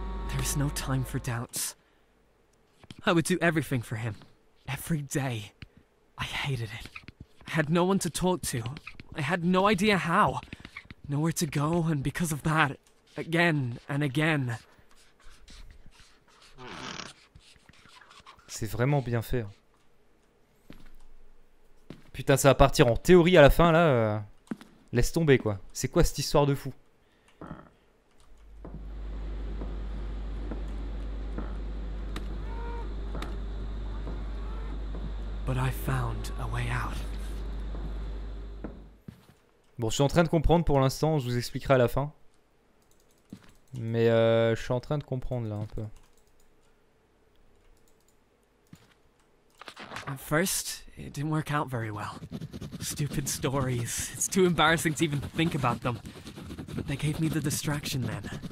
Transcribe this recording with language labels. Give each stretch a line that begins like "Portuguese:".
English: There is no time for doubts. I would do everything for him. Every day. I hated it. I had no one to talk to. I had no idea how. Nowhere to go, and because of that, again and again.
French: C'est vraiment bien fait. Putain, ça va partir en théorie à la fin là. Laisse tomber quoi. C'est quoi cette histoire de fou?
English: But I found a way out.
French: Bon, je suis en train de comprendre pour l'instant, je vous expliquerai à la fin. Mais je suis en train de comprendre là un peu.
English: At first, it didn't work out very well. Stupid stories. It's too embarrassing to even think about them. But they gave me the distraction then.